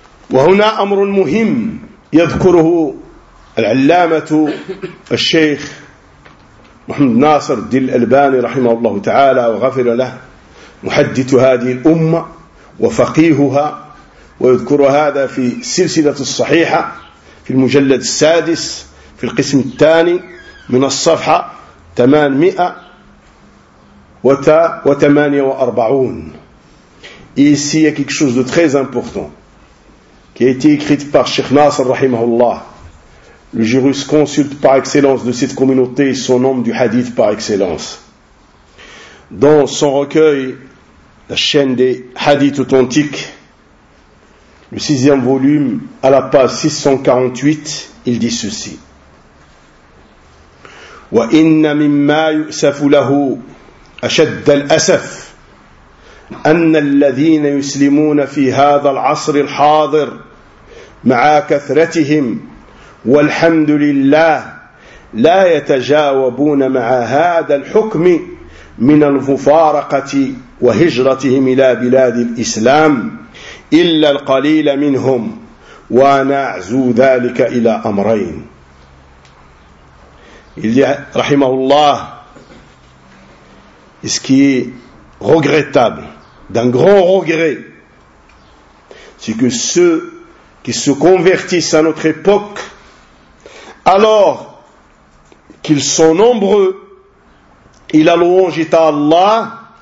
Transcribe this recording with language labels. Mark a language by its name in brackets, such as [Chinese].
[Arabic] وهنا أمر مهم يذكره العلامة الشيخ محمد ناصر الدين الألباني رحمه الله تعالى وغفر له محدث هذه الأمة وفقيهها ويذكر هذا في السلسلة الصحيحة في المجلد السادس في القسم الثاني من الصفحة 848. [French] Ici il y a quelque chose de très important qui a été écrite par Sheikh Nasr Rahimahullah, le jurisconsulte par excellence de cette communauté, son homme du hadith par excellence. Dans son recueil, La chaîne des hadiths authentiques, le sixième volume, à la page 648, il dit ceci. [Arabic] وَإِنَّ مِمَّا يُؤْسَفُ لَهُ أَشَدَّ الْأَسَفُ أَنَّ الَّذِينَ يُسْلِمُونَ فِي هَذَا الْعَصْرِ الْحَاضِرِ مع كثرتهم والحمد لله لا يتجاوبون مع هذا الحكم من المفارقة وهجرتهم إلى بلاد الإسلام إلا القليل منهم وأنا أعزو ذلك إلى أمرين. [French] il dit, rahimahullah, ce qui est regrettable, d'un grand regret, c'est que ceux qui se convertissent à notre époque, alors qu'ils sont nombreux, et la louange est à Allah,